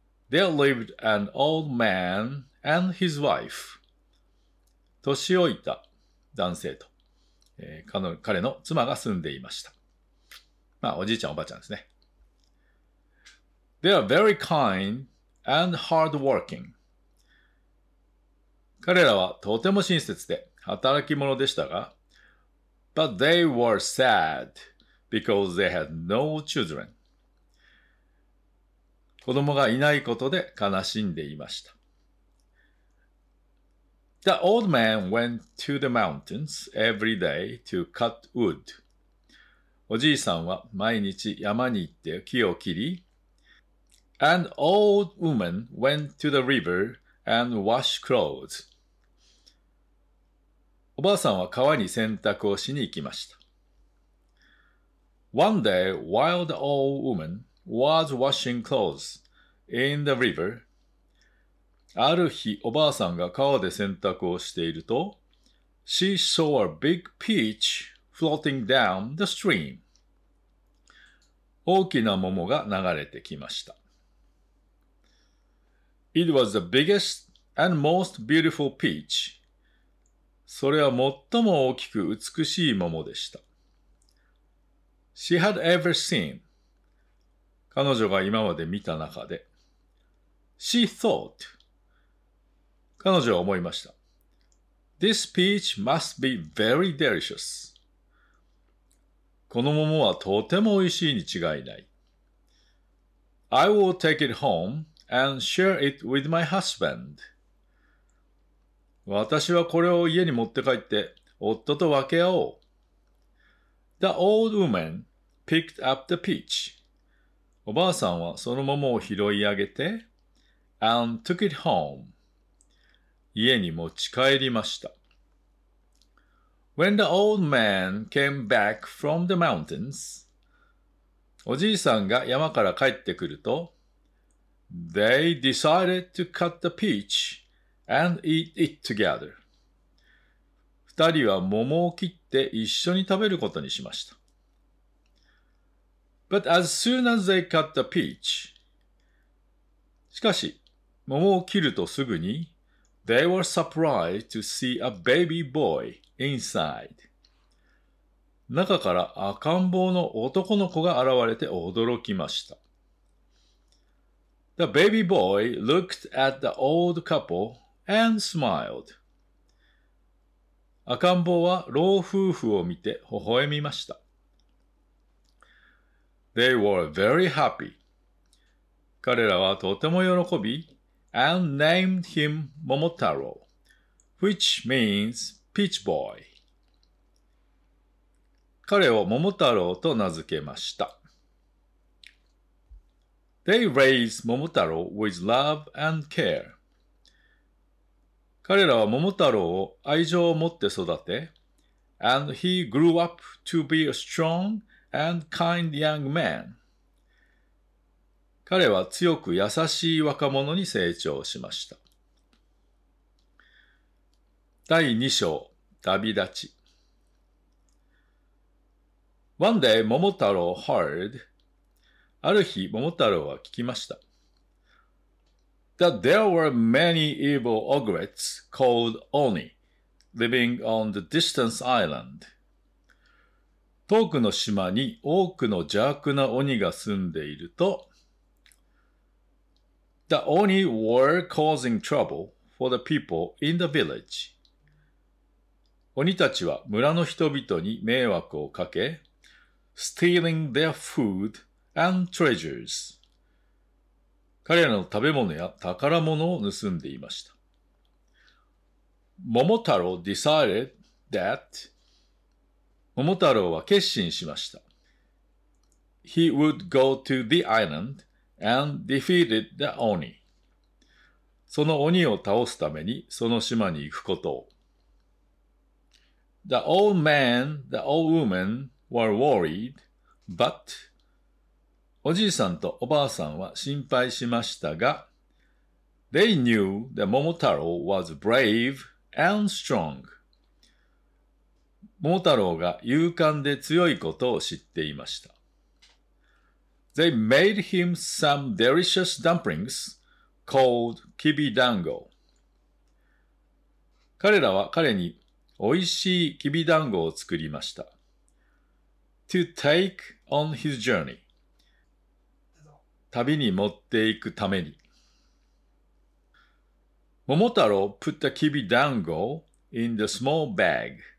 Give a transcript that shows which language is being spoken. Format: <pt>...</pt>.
<en>there lived an old man and his wife,</en> <ja>年老いた男性と、彼の妻が住んでいました。まあ、おじいちゃん、おばあちゃんですね。</ja> <en>They are very kind and hardworking.</en> <ja>彼らはとても親切で働き者でしたが、</ja> <en>But they were sad because they had no children.</en> <ja>子供がいないことで悲しんでいました。</ja> <en>The old man went to the mountains every day to cut wood.</en> <ja>おじいさんは毎日山に行って木を切り、</ja> <en>An old woman went to the river and washed clothes.</en> <ja>おばあさんは川に洗濯をしに行きました。</ja> <en>One day, while the old woman was washing clothes in the river,</en> <ja>ある日、おばあさんが川で洗濯をしていると、</ja> <en>She saw a big peach floating down the stream.</en> <ja>大きな桃が流れてきました。</ja> <en>It was the biggest and most beautiful peach.</en> <ja>それは最も大きく美しい桃でした。</ja> <en>She had ever seen.</en> <ja>彼女が今まで見た中で。</ja> <en>She thought.</en> <ja>彼女は思いました。</ja> <en>This peach must be very delicious.</en> <ja>この桃はとても美味しいに違いない。</ja> <en>I will take it home and share it with my husband.</en> <ja>私はこれを家に持って帰って、夫と分け合おう。</ja> <en>The old woman picked up the peach.</en> <ja>おばあさんはその桃を拾い上げて、</ja> <en>and took it home.</en> <ja>家に持ち帰りました。</ja> <en>When the old man came back from the mountains,</en> <ja>おじいさんが山から帰ってくると、</ja> <en>they decided to cut the peach. And eat it together.</en> <ja>二人は桃を切って一緒に食べることにしました。</ja> <en>But as soon as they cut the peach,</en> <ja>しかし、桃を切るとすぐに、</ja> <en>they were surprised to see a baby boy inside.</en> <ja>中から赤ん坊の男の子が現れて驚きました。</ja> <en>The baby boy looked at the old couple. And smiled.</en> <ja>赤ん坊は老夫婦を見て微笑みました。</ja> <en>They were very happy.</en> <ja>彼らはとても喜び、</ja> <en>and named him Momotaro, which means peach boy.</en> <ja>彼を桃太郎と名付けました。</ja> <en>They raised Momotaro with love and care.</en> <ja>彼らは桃太郎を愛情を持って育て、</ja> <en>and he grew up to be a strong and kind young man.</en> <ja>彼は強く優しい若者に成長しました。第2章、旅立ち。</ja> <en>One day, 桃太郎 heard,</en> <ja>ある日、桃太郎は聞きました。</ja> <en>That there were many evil ogrets called Oni living on the distant island.</en> <ja>遠くの島に多くの邪悪な鬼が住んでいると、</ja> <en>The Oni were causing trouble for the people in the village.</en> <ja>鬼たちは村の人々に迷惑をかけ、</ja> <en>Stealing their food and treasures.</en> <ja>彼らの食べ物や宝物を盗んでいました。</ja> <en>桃太郎 decided that</en> <ja>桃太郎は決心しました。</ja> <en>He would go to the island and defeated the Oni.</en> <ja>その鬼を倒すためにその島に行くことを。</ja> <en>The old man, the old woman were worried, but</en> <ja>おじいさんとおばあさんは心配しましたが、</ja> <en>They knew that Momotaro was brave and strong.</en> <ja>桃太郎が勇敢で強いことを知っていました。</ja> <en>They made him some delicious dumplings called kibidango.</en> <ja>彼らは彼に美味しいきびだんごを作りました。</ja> <en>To take on his journey.</en> <ja>旅に持っていくために。</ja> <en>桃太郎 put the kibidango in the small bag.</en>